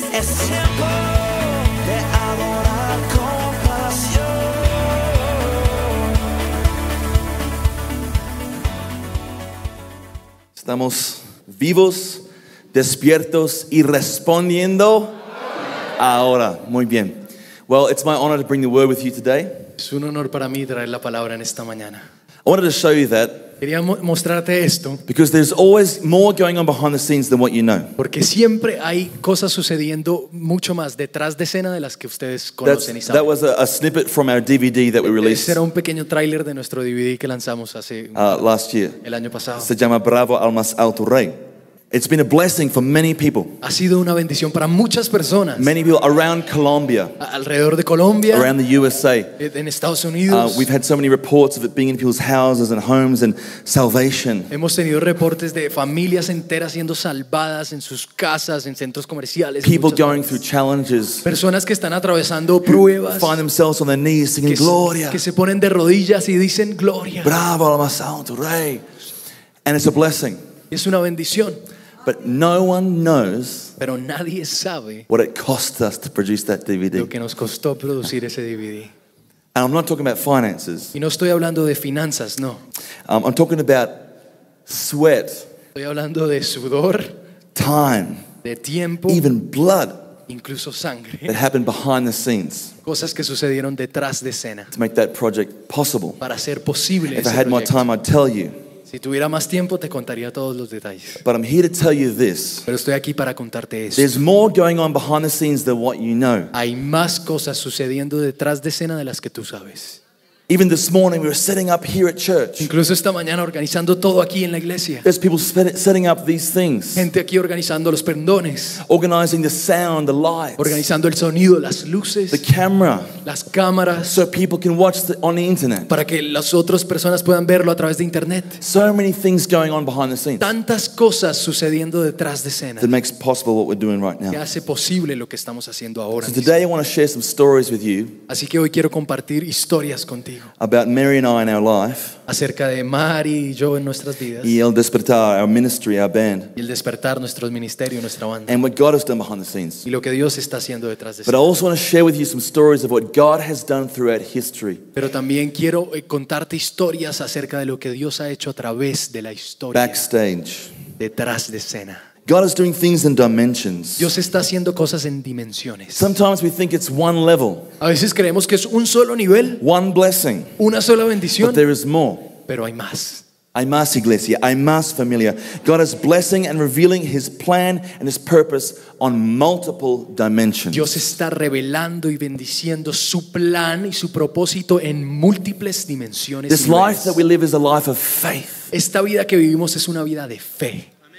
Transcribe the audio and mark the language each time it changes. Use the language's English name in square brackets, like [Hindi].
[Spanish] Es tiempo de adorar con pasión. Estamos vivos, despiertos y respondiendo ahora. Muy bien. [English] Well, it's my honor to bring the word with you today. [Spanish] Es un honor para mí traer la palabra en esta mañana. [English] I wanted to show you that. [Spanish] Quería mostrarte esto. [English] Because there's always more going on behind the scenes than what you know. [Spanish] Porque siempre hay cosas sucediendo mucho más detrás de escena de las que ustedes conocen y saben. [English] That was a snippet from our DVD that we released. [Spanish] Ese era un pequeño tráiler de nuestro DVD que lanzamos hace [English] last year. [Spanish] El año pasado. Se llama Bravo al más alto rey. [English] It's been a blessing for many people. [Spanish] Ha sido una bendición para muchas personas. [English] Many people around Colombia. [Spanish] Alrededor de Colombia. [English] Around the USA. [Spanish] En Estados Unidos. [English] We've had so many reports of it being in people's houses and homes and salvation. [Spanish] Hemos tenido reportes de familias enteras siendo salvadas en sus casas, en centros comerciales. [English] People going through challenges. [Spanish] Personas que están atravesando pruebas. [English] Find themselves on their knees singing Gloria. [Spanish] Que se ponen de rodillas y dicen Gloria. Bravo al más alto rey. [English] And it's a blessing. [Spanish] Es una bendición. [English] But no one knows. [Spanish] Pero nadie sabe. [English] What it cost us to produce that DVD. [Spanish] Lo que nos costó producir ese DVD. [English] And I'm not talking about finances. [Spanish] Y no estoy hablando de finanzas, no. [English] I'm talking about sweat. [Spanish] Estoy hablando de sudor. [English] Time. [Spanish] De tiempo. [English] Even blood. [Spanish] Incluso sangre. [English] That happened behind the scenes. [Spanish] Cosas que sucedieron detrás de escena. [English] To make that project possible. [Spanish] Para hacer posible ese proyecto. [English] If I had my time, I'd tell you. [Spanish] Si tuviera más tiempo, te contaría todos los detalles. [English] But I'm here to tell you this. [Spanish] Pero estoy aquí para contarte esto. [English] There's more going on behind the scenes than what you know. [Spanish] Hay más cosas sucediendo detrás de escena de las que tú sabes. [English] Even this morning, we were setting up here at church. [Spanish] Incluso esta mañana, organizando todo aquí en la iglesia. [English] There's people setting up these things. [Spanish] Gente aquí organizando los pendones. [English] Organizing the sound, the lights. [Spanish] Organizando el sonido, las luces. [English] The camera. [Spanish] Las cámaras. [English] So people can watch on the internet. [Spanish] Para que las otras personas puedan verlo a través de internet. [English] So many things going on behind the scenes. [Spanish] Tantas cosas sucediendo detrás de escena. [English] That makes possible what we're doing right now. [Spanish] Que hace posible lo que estamos haciendo ahora. [English] So today I want to share some stories with you. [Spanish] Así que hoy quiero compartir historias contigo. [English] About Mary and I in our life. [Spanish] Acerca de Mary y yo en nuestras vidas. [English] Y el despertar, our ministry, our band. [Spanish] Y el despertar nuestro ministerio, nuestra banda. [English] And what God has done behind the scenes. [Spanish] Y lo que Dios está haciendo detrás de. [English] But I also want to share with you some stories of what God has done throughout history. [Spanish] Pero también quiero contarte historias acerca de lo que Dios ha hecho a través de la historia. [English] Backstage. [Spanish] Detrás de escena. [English] God is doing things in dimensions. [Spanish] Dios está haciendo cosas en dimensiones. [English] Sometimes we think it's one level. [Spanish] A veces creemos que es un solo nivel. [English] One blessing. [Spanish] Una sola bendición. [English] But there is more. [Spanish] Pero hay más. Hay más iglesia, hay más familia. [English] God is blessing and revealing his plan and his purpose on multiple dimensions. [Spanish] Dios está revelando y bendiciendo su plan y su propósito en múltiples dimensiones. [English] This life that we live is a life of faith. [Spanish] Esta vida que vivimos es una vida de fe.